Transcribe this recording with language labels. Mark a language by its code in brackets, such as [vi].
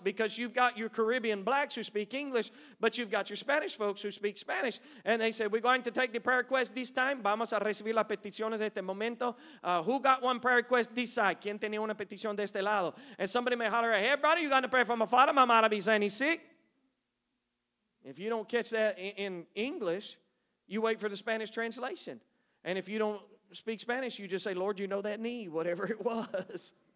[en] Because you've got your Caribbean blacks who speak English, but you've got your Spanish folks who speak Spanish. And they said, "We're going to take the prayer request this time. [es] Vamos a recibir las peticiones de este momento. [en] Who got one prayer request this side? [es] ¿Quién tenía una petición de este lado?" [en] And somebody may holler, "Hey, brother, you got to pray for my father. My mother be saying he's sick." If you don't catch that in English, you wait for the Spanish translation. And if you don't speak Spanish, you just say, "Lord, you know that knee," whatever it was.